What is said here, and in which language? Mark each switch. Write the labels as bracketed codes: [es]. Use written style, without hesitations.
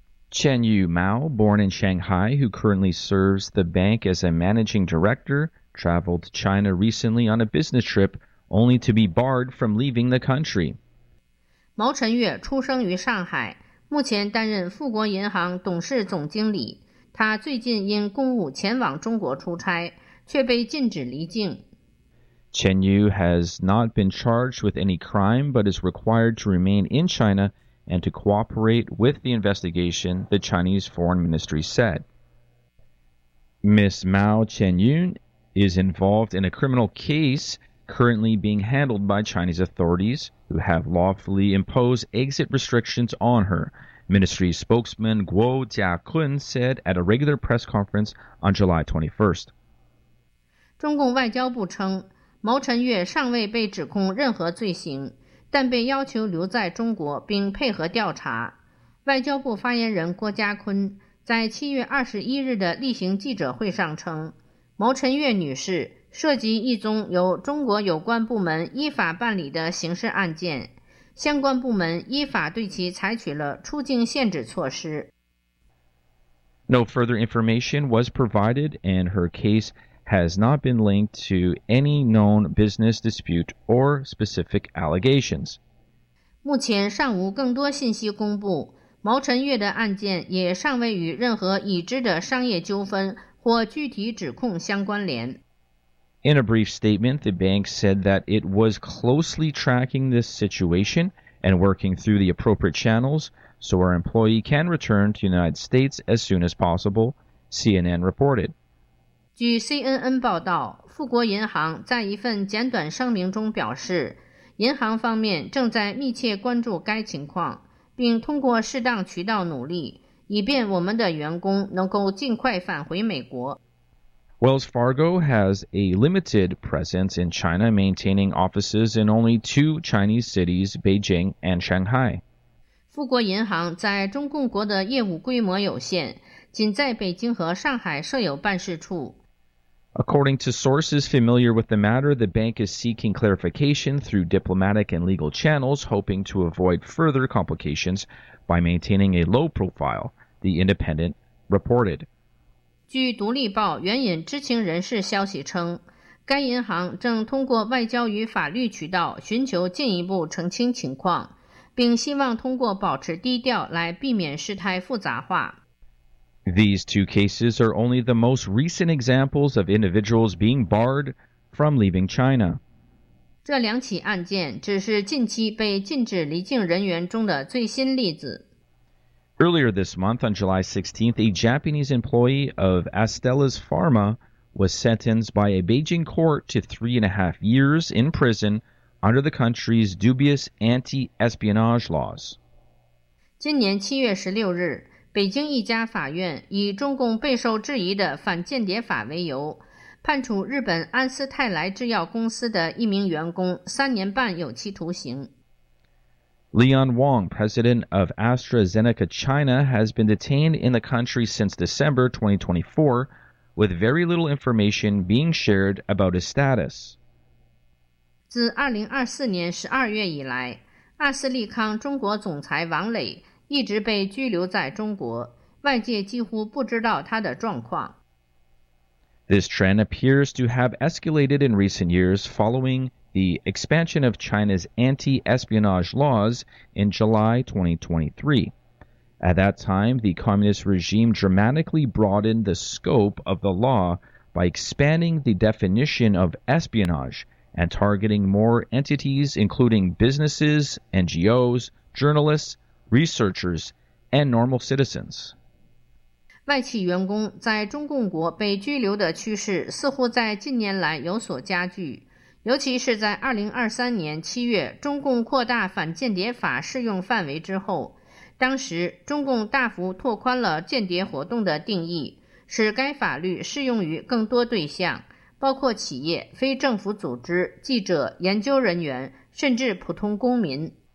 [en] Chen Yu Mao, born in Shanghai, who currently serves the bank as a managing director, traveled to China recently on a business trip, only to be barred from leaving the country. [zh] 毛晨月出生于上海，目前担任富国银行董事总经理。他最近因公务前往中国出差，却被禁止离境。 [en] Chen Yu has not been charged with any crime, but is required to remain in China and to cooperate with the investigation, the Chinese Foreign Ministry said. Ms. Mao Chenyun is involved in a criminal case currently being handled by Chinese authorities who have lawfully imposed exit restrictions on her, Ministry spokesman Guo Jiakun said at a regular press conference on July 21st. [zh] 中共外交部称毛晨月尚未被指控任何罪行，但被要求留在中国并配合调查。外交部发言人郭家坤在7月21日的例行记者会上称，毛晨月女士涉及一宗由中国有关部门依法办理的刑事案件，相关部门依法对其采取了出境限制措施。 [en] No further information was provided, and her case has not been linked to any known business dispute or specific allegations. [zh] 目前尚无更多信息公布，毛晨月的案件也尚未与任何已知的商业纠纷或或具体指控相关联。 [en] In a brief statement, the bank said that it was closely tracking this situation and working through the appropriate channels so our employee can return to the United States as soon as possible, CNN reported. [zh] 据 CNN 报道，富国银行在一份简短声明中表示，银行方面正在密切关注该情况，并通过适当渠道努力，以便我们的员工能够尽快返回美国。 [en] Wells Fargo has a limited presence in China, maintaining offices in only two Chinese cities, Beijing and Shanghai. [zh] 富国银行在中共国的业务规模有限，仅在北京和上海设有办事处。 [en] According to sources familiar with the matter, the bank is seeking clarification through diplomatic and legal channels, hoping to avoid further complications by maintaining a low profile, The Independent reported. [zh] 据独立报援引知情人士消息称，该银行正通过外交与法律渠道寻求进一步澄清情况，并希望通过保持低调来避免事态复杂化。 [en] These two cases are only the most recent examples of individuals being barred from leaving China. [zh] 这两起案件只是近期被禁止离境人员中的最新例子。 [en] Earlier this month, on July 16th, a Japanese employee of Astellas Pharma was sentenced by a Beijing court to 3.5 years in prison under the country's dubious anti-espionage laws. [zh] 今年7月16日，北京一家法院以中共备受质疑的反间谍法为由，判处日本安斯泰莱制药公司的一名员工3年半有期徒刑。 [en] Leon Wang, president of AstraZeneca China, has been detained in the country since December 2024, with very little information being shared about his status. [zh] 自2024年12月以来，阿斯利康中国总裁王磊一直被拘留在中国，外界几乎不知道他的状况。 [en] This trend appears to have escalated in recent years following the expansion of China's anti-espionage laws in July 2023. At that time, the communist regime dramatically broadened the scope of the law by expanding the definition of espionage and targeting more entities, including businesses, NGOs, journalists,researchers, and normal citizens. [zh] 外企员工在中共国被拘留的趋势似乎在近年来有所加剧，尤其是在2023年7月中共扩大反间谍法适用范围之后，当时中共大幅拓宽了间谍活动的定义，使该法律适用于更多对象，包括企业、非政府组织、记者、研究人员，甚至普通公民。